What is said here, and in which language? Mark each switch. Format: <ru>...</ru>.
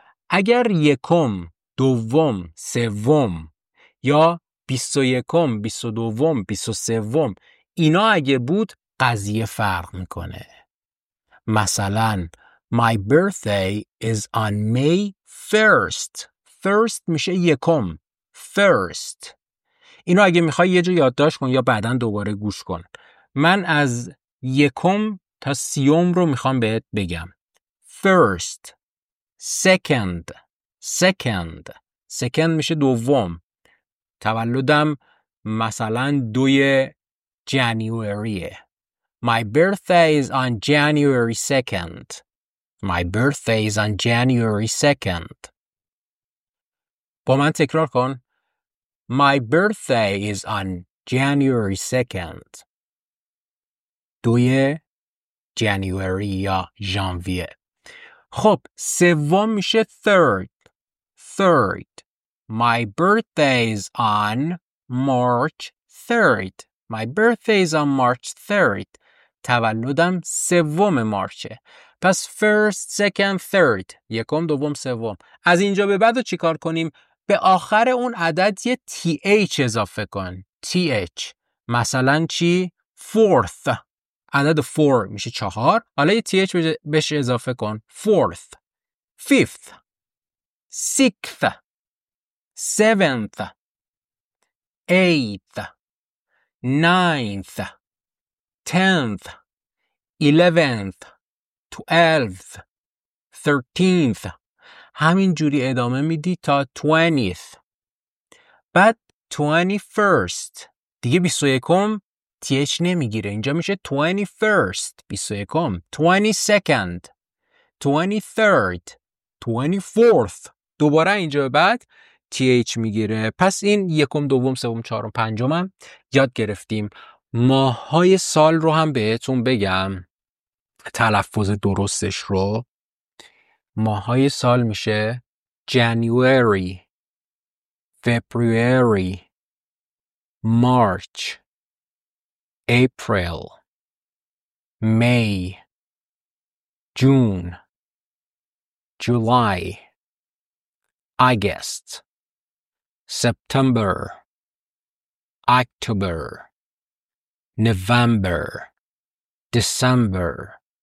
<fa>اگر یکم، دوم، سوم، یا 21، 22، 23 اینا اگه بود قضیه فرق میکنه. مثلا</fa> <en>My birthday is on May 1st. First</en> <fa>میشه یکم.</fa> <en>First.</en> <fa>اینو اگه میخوای یه جا یادداشت کن یا بعداً دوباره گوش کن. من از یکم تا سیوم رو میخوام بهت بگم.</fa> <en>First. Second. Second. Second</en> <fa>میشه دوم. تولدم مثلا</fa> <en>2 January. My birthday is on January 2nd. My birthday is on January 2nd.</en> <fa>با من تکرار کن.</fa> <en>My birthday is on January 2nd.</en> <fa>2 January یا ژانویه. خب سوم میشه</fa> <en>third. My birthday is on March 3rd. My birthday is on March 3rd.</en> <fa>تولدم سوم مارچه. پس</fa> <en>first, second, third.</en> <fa>یکم، دوم، سوم. از اینجا به بعد چی کار کنیم؟ به آخر اون عدد یه TH اضافه کن. TH. مثلا چی؟</fa> <en>fourth.</en> <fa>عدد</fa> <en>four</en> <fa>میشه 4. حالا یه TH بهش اضافه کن.</fa> <en>fourth. fifth. sixth. seventh. eighth. ninth. tenth. eleventh. twelfth. thirteenth.</en> <fa>همین جوری ادامه میدی تا 20th. بعد 21st. دیگه 21م th نمیگیره. اینجا میشه 21st.</fa> <en>21م. 22nd. 23rd. 24th.</en> <fa>دوباره اینجا بعد th میگیره. پس این 1م، 2م، 3م، 4م، 5م یاد گرفتیم. ماهای سال رو هم بهتون بگم تلفظ درستش رو. ماهای سال میشه</fa> <en>January, February, March, April, May, June, July, August, September, October, November, December.</en>